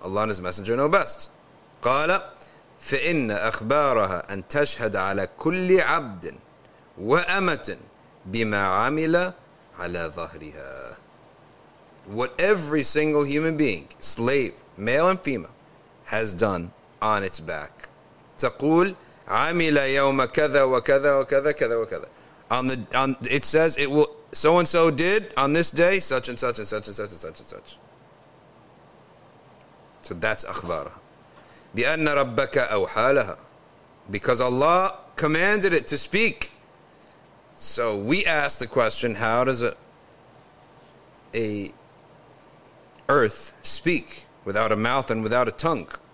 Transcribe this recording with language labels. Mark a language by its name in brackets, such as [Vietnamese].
[English] Allah and His Messenger know best. [Arabic] قَالَ فَإِنَّ أَخْبَارَهَا أَن تَشْهَدَ عَلَى كُلِّ عَبْدٍ وَأَمَةٍ بِمَا عَمِلَ عَلَى ظَهْرِهَا. [English] What every single human being, slave, male and female, has done on its back. [Arabic] تقول عامل يوم كذا وكذا وكذا كذا وكذا. [English] On it says it will. So and so did on this day such and such and such and such and such and such. So that's [Arabic] أخبار. بأن ربك أوحى لها. [English] Because Allah commanded it to speak. So we ask the question: how does a earth speak without a mouth and without a tongue?